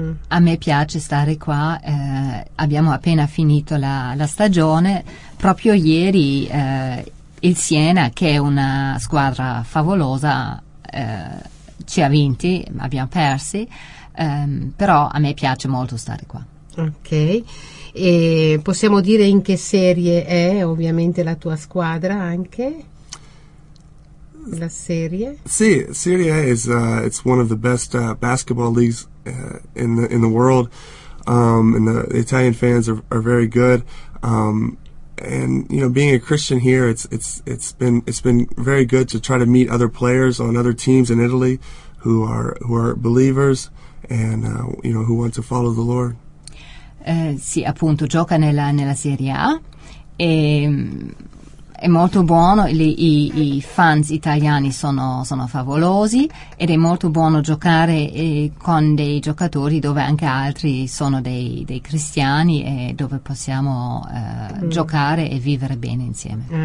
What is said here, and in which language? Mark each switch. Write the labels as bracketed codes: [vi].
[it] A me piace stare qua, abbiamo appena finito la stagione, proprio ieri il Siena, che è una squadra favolosa, ci ha vinti, abbiamo persi, però a me piace molto stare qua. Ok, e possiamo dire in che serie è ovviamente la tua squadra anche? La serie? [en] Sì, Serie A is it's one of the best basketball leagues in the world, and the Italian fans are very good, and you know, being a Christian here, it's been very good to try to meet other players on other teams in Italy who are believers and you know, who want to follow the Lord. [it] Sì, appunto, gioca nella Serie A e è molto buono, i fans italiani sono favolosi ed è molto buono giocare con dei giocatori dove anche altri sono dei cristiani e dove possiamo giocare e vivere bene insieme.